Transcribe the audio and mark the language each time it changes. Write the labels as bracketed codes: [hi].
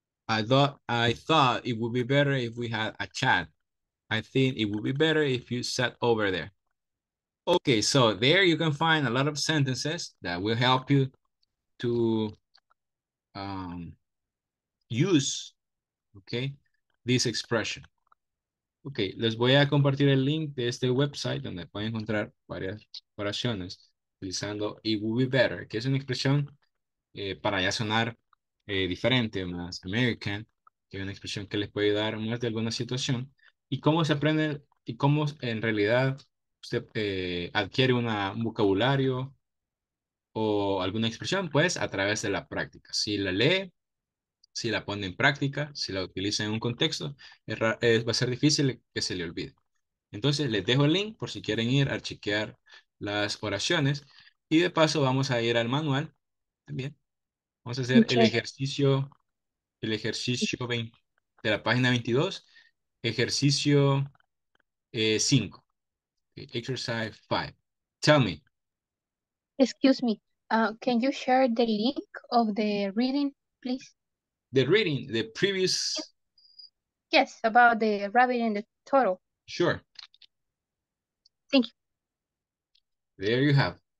[en] I thought it would be better if we had a chat. I think it would be better if you sat over there. Okay, so there you can find a lot of sentences that will help you to use, okay, this expression. [es] Okay, les voy a compartir el link de este website donde pueden encontrar varias oraciones utilizando [en] it would be better, [es] que es una expresión para ya sonar diferente, más American, que es una expresión que les puede ayudar más de alguna situación. Y cómo se aprende, y cómo en realidad usted adquiere un vocabulario o alguna expresión, pues a través de la práctica. Si la lee, si la pone en práctica, si la utiliza en un contexto, va a ser difícil que se le olvide. Entonces, les dejo el link por si quieren ir a chequear las oraciones. Y de paso, vamos a ir al manual también. Vamos a hacer el ejercicio 20, de la página 22, ejercicio 5. [en] Exercise 5. Tell me. Excuse me. Can you share the link of the reading, please? The reading, the previous. Yes, about the rabbit and the turtle. Sure. Thank you. There you have.